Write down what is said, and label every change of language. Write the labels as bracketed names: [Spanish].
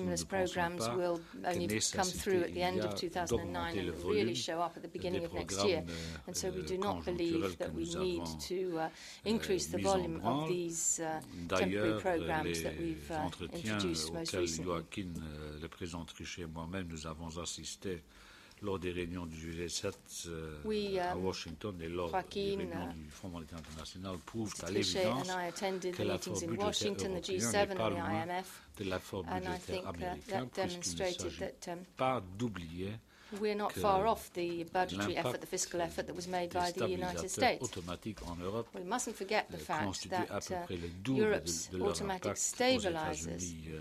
[French] Nous ne pensons pas [English] will only que come through at the end of 2009 and really show up at the beginning of next year. And so we do not believe that we need to increase the volume of these temporary programs that we've introduced most recently. [French] Joaquin, le président Trichet et moi-même, nous avons assisté lors des réunions du G7 à Washington et lors des réunions du Fonds monétaire international, prouvent à l'évidence que l'effort budgétaire européen n'est pas loin de l'effort budgétaire américain, puisqu'il ne s'agit pas d'oublier [English] we're not far off the budgetary effort, the fiscal effort that was made by the United States. We mustn't forget the fact that Europe's automatic stabilizers